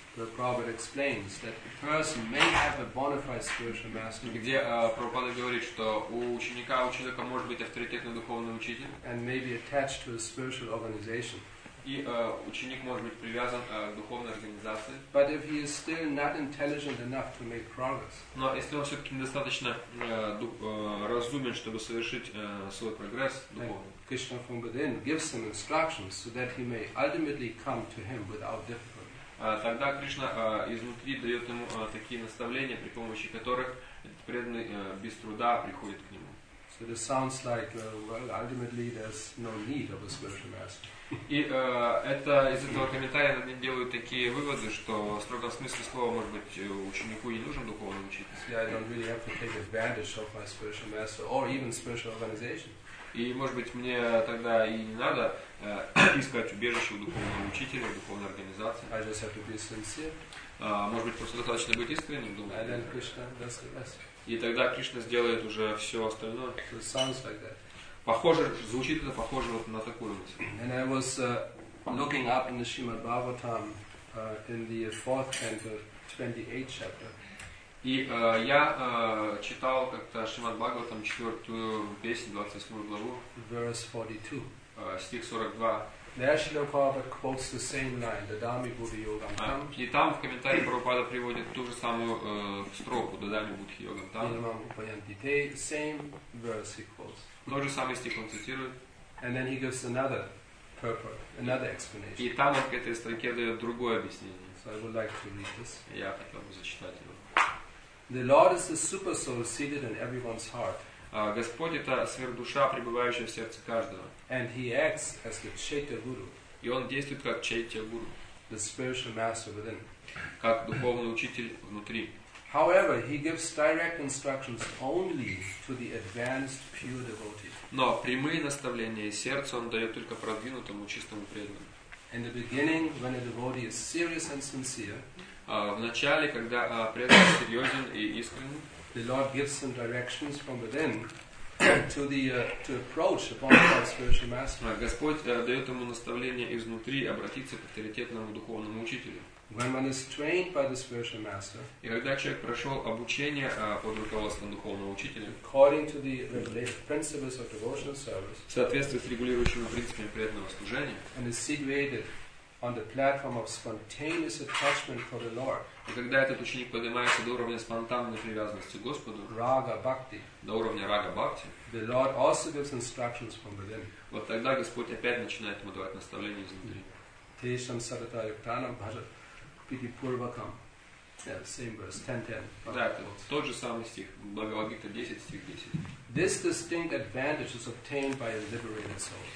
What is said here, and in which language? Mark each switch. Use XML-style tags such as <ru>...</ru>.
<en>The Prabhupada explains that the person may have a bona fide spiritual master.</en> <ru>Где Прабхупада говорит, что у человека может быть авторитетный духовный учитель.</ru> <en>And may be attached to a spiritual organization.</en> <ru>И ученик может быть привязан к духовной организации.</ru> <en>But if he is still not intelligent enough to make progress.</en> <ru>Но если он все-таки недостаточно разумен, чтобы совершить свой прогресс духовный.</ru> <en>And Krishna from within gives him instructions so that he may ultimately come to him without difficulty.</en> <ru>Тогда Кришна изнутри дает ему такие наставления, при помощи которых преданный без труда приходит к нему.</ru> <en>So this sounds like, well, ultimately there's no need of a spiritual master.</en> <ru>И это из этого комментария они делают такие выводы, что в строгом смысле слова, может быть, ученику не нужен духовный учитель.</ru> <en>Yeah, I don't really have to take advantage of my spiritual master or even spiritual organization.</en> <ru>И, может быть, мне тогда и не надо искать убежище у духовного учителя, у духовной организации.</ru> <en>I just have to be sincere.</en> <ru>Может быть, просто достаточно быть искренним, думаю.</ru> <en>And then Krishna does the rest.</en> <ru>И тогда Кришна сделает уже все остальное.</ru> <en>So it sounds like that.</en> <ru>Похоже, звучит это похоже вот на такую мысль.</ru> <en>And I was looking up in the Shrimad Bhagavatam in the 4th canto, 28th chapter.</en> <ru>И я читал как-то Шримад Бхагаватам 4-ю песню, 28-ю главу.</ru> <en>Verse 42.</en> <ru>Стих 42. И там в комментарии Прабхупада приводит ту же самую строку</ru> <sa>Дадами Будхи Йогам Там.</sa> <ru>Тот же самый стих он цитирует.</ru> <en>And then he gives another purport, another explanation.</en> <ru>И там он к этой строке дает другое объяснение.</ru> <en>So I would like to read this.</en> <ru>Я хотел бы зачитать его.</ru> <en>The Lord is the super soul seated in everyone's heart.</en> <ru>Господь — это сверхдуша, пребывающая в сердце каждого.</ru> <en>And he acts as the Chaitya Guru.</en> <ru>И он действует как Chaitya Guru.</ru> <en>The spiritual master within.</en> <ru>Как духовный учитель внутри.</ru> <en>However, he gives direct instructions only to the advanced pure devotees.</en> <ru>Но прямые наставления из сердца он дает только продвинутому чистому преданному.</ru> <en>In the beginning, when a devotee is serious and sincere,</en> <ru>в начале, когда преданный серьезен и искренен,</ru> <en>the Lord gives some directions from within to the to approach upon the spiritual master.</en> <ru>Господь дает ему наставление изнутри обратиться к авторитетному духовному учителю.</ru> <en>When one is trained by the spiritual master,</en> <ru>и когда человек прошел обучение под руководством духовного учителя,</ru> <en>according to the principles of devotional service,</en> <ru>в соответствии с регулирующими принципами преданного служения,</ru> <en>and is situated on the platform of spontaneous attachment for the Lord.</en> <ru>И когда этот ученик поднимается до уровня спонтанной привязанности к Господу,</ru> <sa>рага бхакти,</sa> <ru>до уровня рага бхакти,</ru> <en>the Lord also gives instructions from within.</en> <ru>Вот тогда Господь опять начинает ему давать наставления изнутри.</ru> <sa>Тешам сарата юктанам бхажат пити пурвакам.</sa> <en>Yeah, same verse, 10-10.</en> <ru>Да, это вот тот же самый стих, Бхагавад-гита 10, стих 10.</ru> <en>This distinct advantage is obtained by a liberated soul.</en>